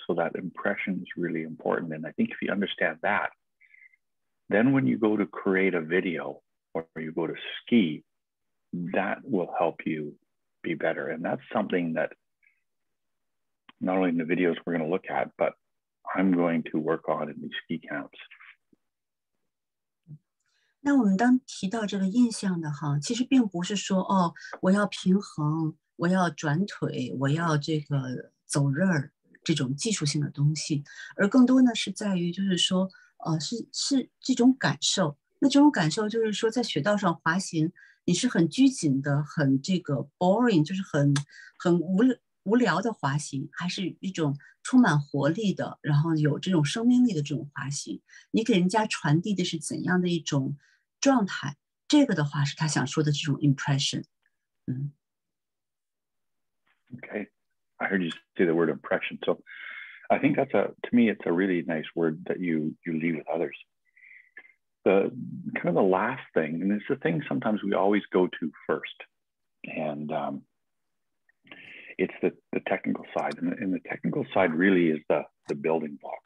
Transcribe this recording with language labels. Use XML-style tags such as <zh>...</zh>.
<en>So that impression is really important. And I think if you understand that, then when you go to create a video or you go to ski, that will help you be better. And that's something that not only in the videos we're going to look at, but I'm going to work on in these ski camps.</en> <zh>那我们当提到这个印象的哈，其实并不是说哦，我要平衡，我要转腿，我要这个走刃儿这种技术性的东西，而更多呢是在于就是说，是这种感受。那这种感受就是说，在雪道上滑行，你是很拘谨的，很这个 boring， 就是很无聊的滑行，还是一种充满活力的，然后有这种生命力的这种滑行，你给人家传递的是怎样的一种状态？这个的话是他想说的这种 impression。</zh> <en>Okay, I heard you say the word impression. So I think that's a, to me, it's a really nice word that you leave with others. the kind of the last thing, and it's the thing sometimes we always go to first, and it's the technical side, and the technical side really is the building block.</en>